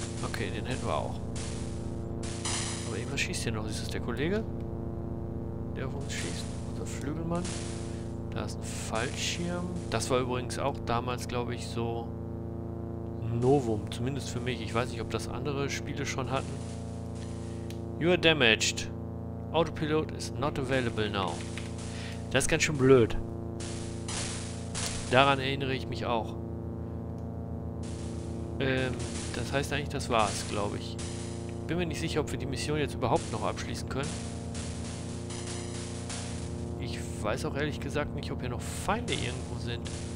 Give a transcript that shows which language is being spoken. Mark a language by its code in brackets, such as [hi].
[de] Okay, den hätten wir auch. Aber irgendwas schießt hier noch. Ist das der Kollege, der auf uns schießt? Unser Flügelmann. Da ist ein Fallschirm. Das war übrigens auch damals, glaube ich, so Novum. Zumindest für mich. Ich weiß nicht, ob das andere Spiele schon hatten. [en] You are damaged. Autopilot is not available now. [de] Das ist ganz schön blöd. Daran erinnere ich mich auch. Das heißt eigentlich, das war's, glaube ich. Bin mir nicht sicher, ob wir die Mission jetzt überhaupt noch abschließen können. Ich weiß auch ehrlich gesagt nicht, ob hier noch Feinde irgendwo sind.